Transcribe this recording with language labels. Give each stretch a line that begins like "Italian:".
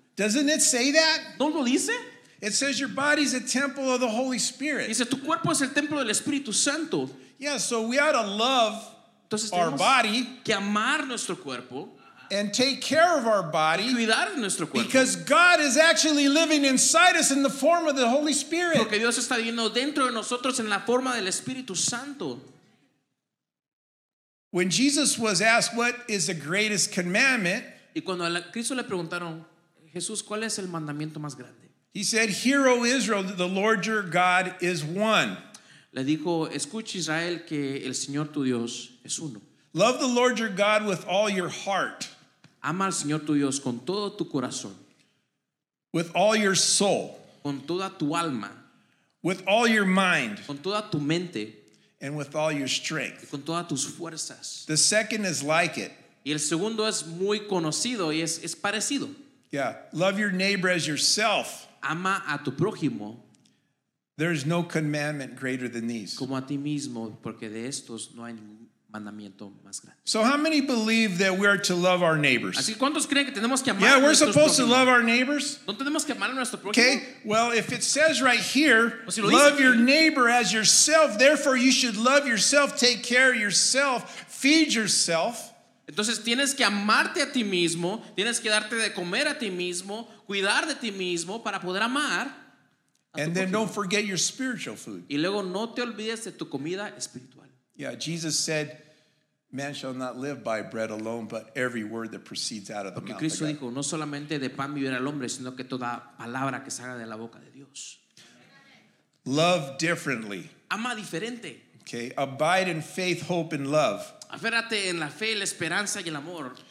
English: Doesn't it say that?
Spanish: ¿No lo dice?
English: It says your body is the temple of the Holy Spirit.
Spanish: Dice tu cuerpo es el templo del Espíritu Santo.
English: Yeah, so we ought to love
Spanish: Entonces,
English: our body.
Spanish: Que amar nuestro cuerpo.
English: And take care of our body
Spanish: cuidar nuestro cuerpo.
English: Because God is actually living inside us in the form of the Holy Spirit.
Spanish: Porque Dios está viviendo dentro de nosotros en la forma del Espíritu Santo.
English: When Jesus was asked, what is the greatest commandment?
Spanish: Y cuando a Cristo le preguntaron, Jesús, ¿cuál es el mandamiento más grande?
English: He said, Hear, O Israel, the Lord your God is one.
Spanish: Le dijo, escucha Israel, que el Señor tu Dios es uno.
English: Love the Lord your God with all your heart.
Spanish: Ama al Señor tu Dios con todo tu corazón.
English: With all your soul.
Spanish: Con toda tu alma.
English: With all your mind.
Spanish: Con toda tu mente.
English: And with all your strength.
Spanish: Y con todas tus fuerzas.
English: The second is like it.
Spanish: Y el segundo es muy conocido y es parecido.
English: Yeah, love your neighbor as yourself.
Spanish: Ama a tu prójimo.
English: There is no commandment greater than these.
Spanish: Como a ti mismo, porque de estos no hay ningún.
English: So how many believe that we are to love our neighbors?
Spanish: Así, ¿cuántos creen que tenemos que amar
English: yeah, we're
Spanish: a nuestros
English: supposed
Spanish: prójimos?
English: To love our neighbors.
Spanish: ¿No tenemos que amar a nuestro prójimo?
English: Okay, well, if it says right here,
Spanish: pues si
English: love
Spanish: aquí,
English: your neighbor as yourself, therefore you should love yourself, take care of yourself, feed yourself.
Spanish: Entonces tienes que amarte a ti mismo, tienes que darte de comer a ti mismo, cuidar de ti mismo para poder amar.
English: And then don't forget your spiritual food.
Spanish: Y luego no te olvides de tu comida espiritual.
English: Yeah, Jesus said, man shall not live by bread alone, but every word that proceeds out of the mouth of God.
Spanish: Dijo, no solamente de pan vivirá el hombre, sino que toda palabra que salga de la boca de Dios.
English: Love differently.
Spanish: Ama diferente.
English: Okay, abide in faith, hope, and love.
Spanish: Aférrate en la fe, la esperanza y el amor.